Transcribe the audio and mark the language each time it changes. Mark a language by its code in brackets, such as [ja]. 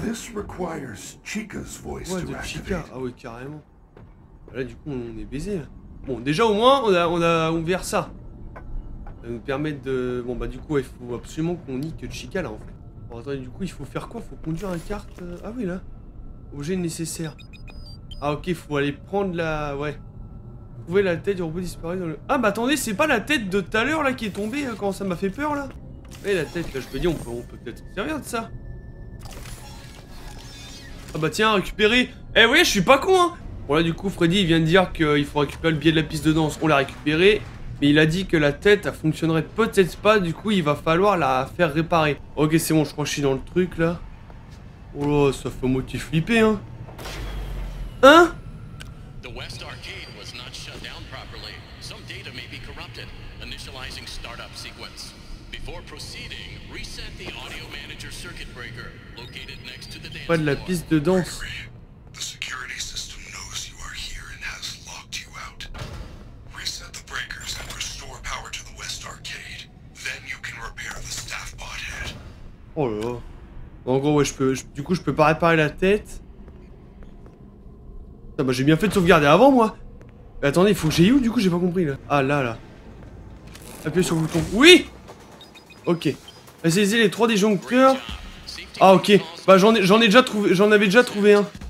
[en] This requires Chica's voice [fr] ouais, de Chica. Ah oui, carrément. Là, du coup, on est baisé. Bon, déjà au moins, on a ouvert ça. va nous permettre de... Bon bah du coup il faut absolument qu'on nique Chica là en fait. Bon attendez, du coup il faut faire quoi? Faut conduire un kart... Ah oui là. Objet nécessaire. Ah ok, faut aller prendre la... Ouais. Trouver la tête du robot disparu dans le... Ah bah attendez, c'est pas la tête de tout à l'heure là qui est tombée quand ça m'a fait peur là? Mais la tête là, je peux dire on peut peut-être se servir de ça. Ah bah tiens, récupérer. Eh vous voyez, je suis pas con hein. Bon là du coup Freddy il vient de dire qu'il faut récupérer le billet de la piste de danse. On l'a récupéré. Mais il a dit que la tête elle fonctionnerait peut-être pas, du coup il va falloir la faire réparer. Ok c'est bon, je crois que je suis dans le truc là. Oh là, ça fait moitié flipper hein. Hein? [en] The West Arcade was not shut down properly. Some data may be corrupted. Initializing startup sequence. Before proceeding, reset the audio manager circuit breaker located next to the dance floor. [fr] Pas de la piste de danse. [en] The security system knows you are here and has locked you out. Reset the breakers and restore power to the West Arcade. Then you can repair the staff bot head. [fr] Oh là là. En gros, ouais, je peux pas réparer la tête. Ah bah j'ai bien fait de sauvegarder avant moi. Mais attendez, il faut que j'aille où du coup, j'ai pas compris là. Ah là là. Appuyez sur le bouton. Oui. Ok. Saisissez les trois disjoncteurs. Ah ok. Bah j'en avais déjà trouvé un.